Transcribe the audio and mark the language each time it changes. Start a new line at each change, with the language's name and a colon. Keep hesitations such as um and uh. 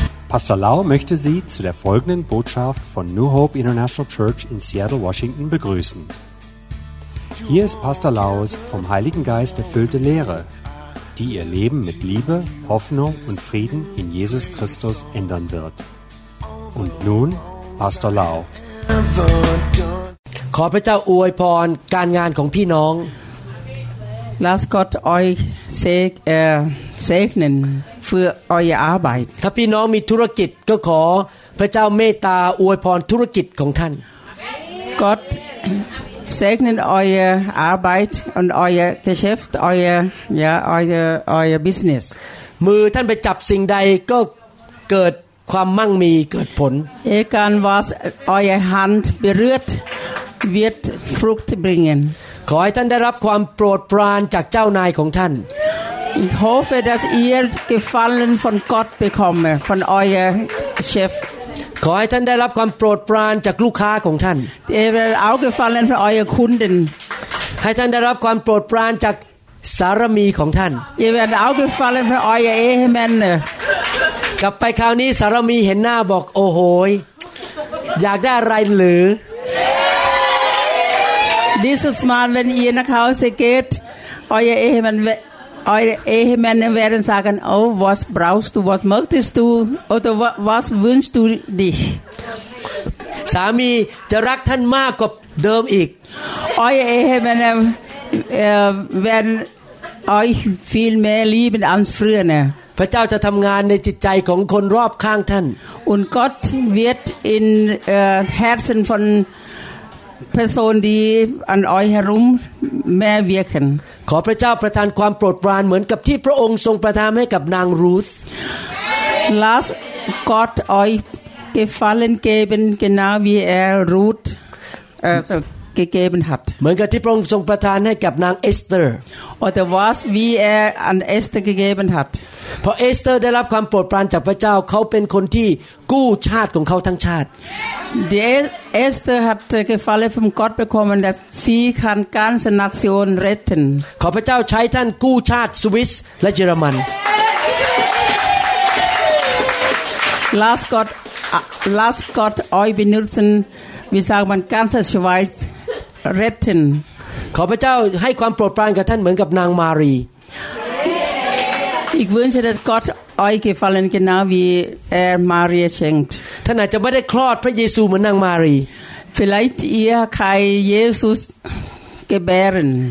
German: Pastor Lau möchte Sie zu der folgenden Botschaft von New Hope International Church in Seattle, Washington begrüßen. Hier ist Pastor Laus vom Heiligen Geist erfüllte Lehre, die Ihr Leben mit Liebe, Hoffnung und Frieden in Jesus Christus ändern wird. Und nun Pastor Lau.
Thai: ขอพระเจ้าอวยพรการงานของพี่น้อง
German: Lass Gott euch seg äh, segnen für eure Arbeit.
Thai: ถ้าพี่น้องมีธุรกิจก็ขอพระเจ้าเมตตาอวยพรธุรกิจของท่าน
German: Gott segnet eure Arbeit und euer Geschäft, euer, ja, euer, euer Business.
Thai: มือท่านไปจับสิ่งใดก็เกิดความมั่งมีเกิดผล
German: Egal was eure Hand berührt, wird Frucht bringen.
Thai: ขอให้ท่านได้รับความโปรดปรานจากเจ้านายของท่าน
German: Ich hoffe, dass ihr Gefallen von Gott bekomme, von euer Chef.
Thai: ขอให้ท่านได้รับความโปรดปรานจากลูกค้าของท่าน
German: Ihr werdet auch gefallen von euren Kunden.
Thai: ให้ท่านได้รับความโปรดปรานจากสารมีของท่าน
German: Ihr werdet auch gefallen von euren Ehemänner.
Thai: กลับไปคราวนี้สารมีเห็นหน้าบอกโอ้โหยอยากได้อะไรหรือ
German: Dieses Mal, wenn ihr nach Hause geht, euer Ehemann, we- eure Ehemänner werden sagen, oh, was brauchst du, was möchtest du oder wa- was wünschst du dich?
Thai: สามีจะรักท่านมากกว่าเดิมอีก
German: Eure Ehemänner äh, werden euch viel mehr lieben als früher.
Thai: พระเจ้าจะทำงานในจิตใจของคนรอบข้างท่าน
German: Und Gott wird in äh, Herzen von Personen, die an euch herum mehr wirken.
Thai: ขอพระเจ้าประทานความโปรดปรานเหมือนกับที่พระองค์ทรงประทานให้กับนางรูธ
German: Lasst Gott euch Gefallen geben, genau wie er Ruth äh, so gegeben hat.
Thai: เหมือนกับที่พระองค์ทรงประทานให้กับนางเอสเตอร์
German: Oder was, wie er an Esther gegeben hat.
Thai: เพราะเอสเตอร์ได้รับความโปรดปรานจากพระเจ้าเขาเป็นคนที่กู้ชาติของเขาทั้งชาติ
German: Die E- Esther hat äh, Gefallen von Gott bekommen, dass sie kann ganze Nation retten.
Thai: ขอพระเจ้าใช้ท่านกู้ชาติสวิสและเยอรมัน
German: Lasst Gott, ah, lasst Gott euch benutzen, wie sagt man, ganze Schweiz retten.
Thai: ขอพระเจ้าให้ความโปรดปรานกับท่านเหมือนกับนางมารี
German: Ich wünsche, dass Gott euch Gefallen genau wie er Maria schenkt.
Thai: ท่านอาจจะไม่ได้คลอดพระเยซูเหมือนนางมารี
German: Vielleicht ihr kann Jesus gebären,